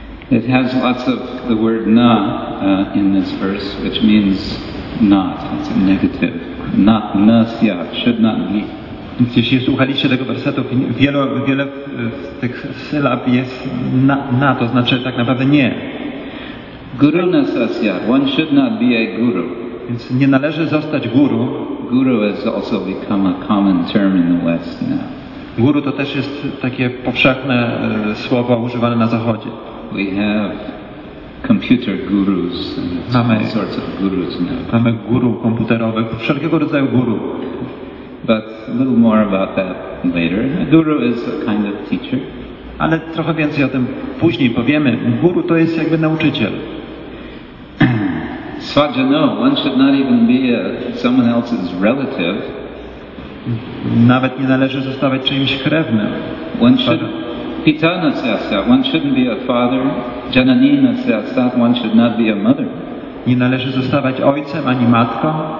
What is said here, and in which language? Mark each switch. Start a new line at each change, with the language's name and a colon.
English: It has lots of the word na in this verse, which means not. It's a negative. Na, nasyat, should not be.
Polish: Więc jeśli słuchaliście tego wersetu, wiele z tych sylab jest na, to znaczy tak naprawdę nie.
English: Guru nasasya, one should not be a guru.
Polish: Więc nie należy zostać guru.
English: Guru has also become a common term in the West now.
Polish: Guru to też jest takie powszechne słowo używane na Zachodzie.
English: We have computer gurus and all sorts of gurus now.
Polish: Mamy guru komputerowych, wszelkiego rodzaju guru.
English: But a little more about that later. A guru is a kind of teacher.
Polish: Ale trochę więcej o tym później powiemy. Guru to jest jakby nauczyciel.
English: Svajano, one should not even be someone else's relative.
Polish: Nawet nie należy zostawać czyimś krewnym.
English: One should pitana sasya, one shouldn't be a father. Jananina sasya, one should not be a mother.
Polish: Nie należy zostawać ojcem ani matką.